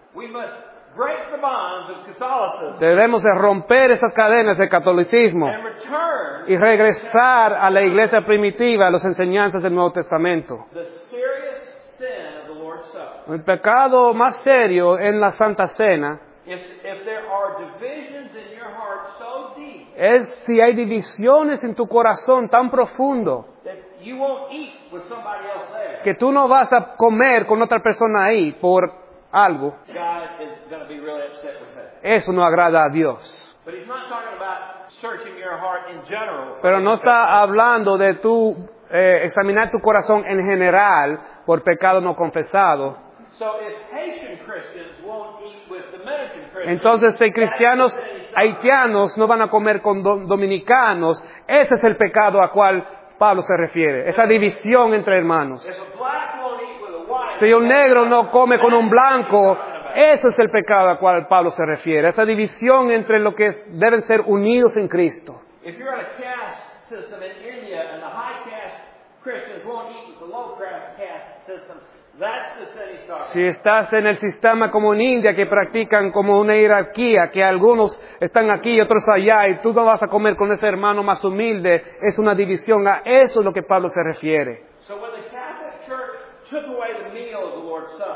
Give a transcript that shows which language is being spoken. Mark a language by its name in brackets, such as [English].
[English] We must break the bonds of Catholicism. [Spanish] Debemos de romper esas cadenas del catolicismo [English] and return [Spanish] y regresar a la iglesia primitiva, a las enseñanzas del Nuevo Testamento. [English] The serious sin of the Lord's Supper. [Spanish] El pecado más serio en la Santa Cena. [English] If there are divisions in your heart so deep, [Spanish] es si hay divisiones en tu corazón tan profundo [English] you won't eat with somebody else there, [Spanish] que tú no vas a comer con otra persona ahí por algo, [English] God is going to be really upset with that. [Spanish] Eso no agrada a Dios. [English] But he's not talking about searching your heart in general, [Spanish] pero no está hablando de tú examinar tu corazón en general por pecado no confesado. [English] So if Haitian Christians won't eat with Dominican Christians, [Spanish] entonces si cristianos haitianos no van a comer con dominicanos, ese es el pecado a cual Pablo se refiere, esa división entre hermanos. [English] If a black won't eat with a white, [Spanish] si un negro no come con un blanco, eso es el pecado a cual Pablo se refiere, esa división entre lo que deben ser unidos en Cristo. [English] If you're on a caste system in India and the high caste Christians won't eat with the low caste systems, that's the sin. [Spanish] Si estás en el sistema como en India, que practican como una jerarquía, que algunos están aquí y otros allá, y tú no vas a comer con ese hermano más humilde, es una división. A eso es lo que Pablo se refiere. [English] So when the Catholic Church took away the meal of the Lord's Supper,